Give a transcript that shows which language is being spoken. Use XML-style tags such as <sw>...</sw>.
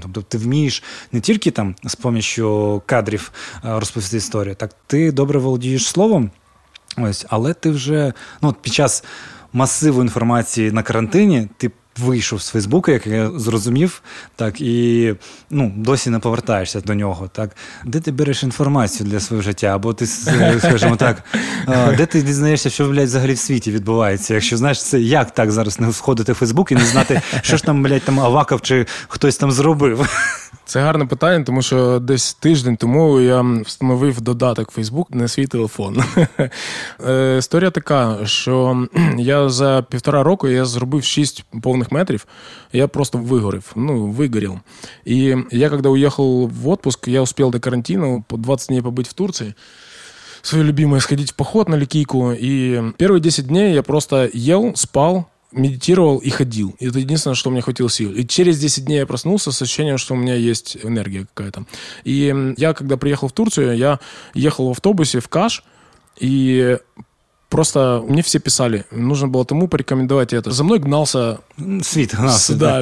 <uk>Тобто ти вмієш не тільки там з помічю кадрів розповісти історію, так, ти добре володієш словом, ось, але ти вже, ну, під час масиву інформації на карантині, ти вийшов з Фейсбука, як я зрозумів, так, і, ну, досі не повертаєшся до нього, так. Де ти береш інформацію для свого життя, або ти, скажімо так, де ти дізнаєшся, що, блядь, взагалі в світі відбувається, якщо, знаєш, це як так зараз не сходити в Фейсбук і не знати, що ж там, блядь, там Аваков чи хтось там зробив. Це гарне питання, тому що десь тиждень тому я встановив додаток Facebook на свій телефон. Історія така, що я за півтора року я зробив 6 повних метрів, я просто вигорів, ну, вигорів. І я, коли уїхав в відпуск, я успів до карантину, по 20 днів побути в Турції, своє любиме, сходити в поход на лікійку. І перші 10 днів я просто їв, спав,</uk> <ru>медитировал и ходил. И это единственное, что у меня хватило сил. И через 10 дней я проснулся с ощущением, что у меня есть энергия какая-то. И я, когда приехал в Турцию, я ехал в автобусе в Каш, и просто мне все писали, нужно было тому порекомендовать это. За мной гнался... Свит гнался, да.</ru>